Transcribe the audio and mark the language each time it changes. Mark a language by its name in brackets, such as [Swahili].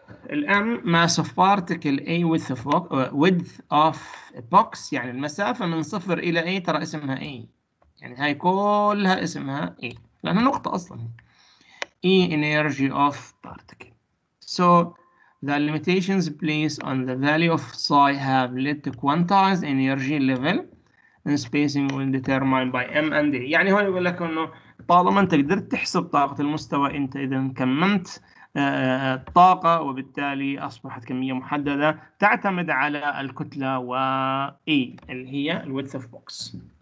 [English] الام mass of particle اي width of box [Arabic] يعني المسافة من صفر إلى اي، ترى اسمها اي يعني هاي كلها اسمها اي لأنها نقطة أصلا، [English] اي energy of particle. So the limitations placed on the value of psi have led to quantized energy level and spacing when determined by M and A. [Arabic] يعني هون يقول لك انه طالما انت قدرت تحسب طاقة المستوى انت اذا كممت الطاقة وبالتالي اصبحت كمية محددة تعتمد على الكتلة و E اللي هي ال [English] width of box.